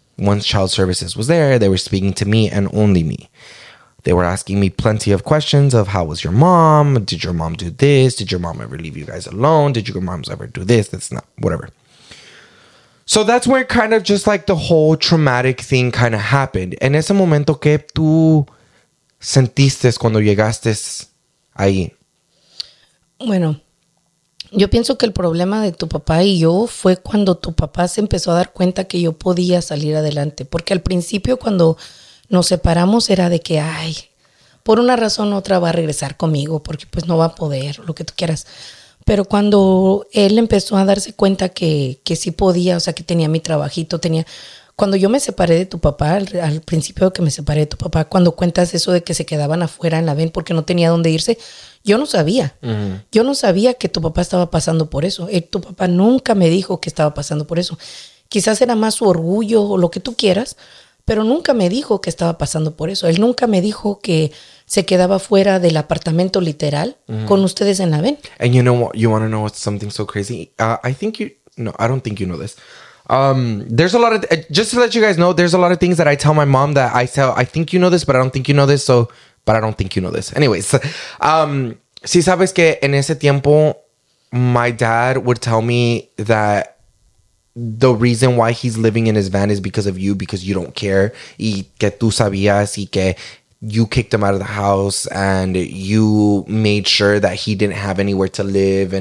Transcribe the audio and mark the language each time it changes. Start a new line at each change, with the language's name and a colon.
English: Once child services was there, they were speaking to me and only me. They were asking me plenty of questions of how was your mom? Did your mom do this? Did your mom ever leave you guys alone? Did your moms ever do this? That's not whatever. So that's where kind of just like the whole traumatic thing kind of happened.
Spanish: En ese momento que tú sentiste cuando llegaste ahí. Bueno. Yo pienso que el problema de tu papá y yo fue cuando tu papá se empezó a dar cuenta que yo podía salir adelante. Porque al principio cuando nos separamos era de que, ay, por una razón u otra va a regresar conmigo porque pues no va a poder, lo que tú quieras. Pero cuando él empezó a darse cuenta que sí podía, o sea, que tenía mi trabajito, tenía... Cuando yo me separé de tu papá, al principio que me separé de tu papá, cuando cuentas eso de que se quedaban afuera en la VEN porque no tenía dónde irse, yo no sabía. Uh-huh. Yo no sabía que tu papá estaba pasando por eso. Tu papá nunca me dijo que estaba pasando por eso. Quizás era más su orgullo o lo que tú quieras, pero nunca me dijo que estaba pasando por eso. Él nunca me dijo que se quedaba fuera del apartamento literal con ustedes en la VEN.
English: And you know what? You want to know what's something so crazy? I don't think you know this. There's a lot of, just to let you guys know, there's a lot of things that I tell my mom that I tell, I think you know this, but I don't think you know this, Anyways,
Spanish: si sabes que en ese tiempo,
English: my dad would tell me that the reason why he's living in his van is because of you, because you don't care,
Spanish: y que tú sabías, y que
English: you kicked him out of the house, and you made sure that he didn't have anywhere to live.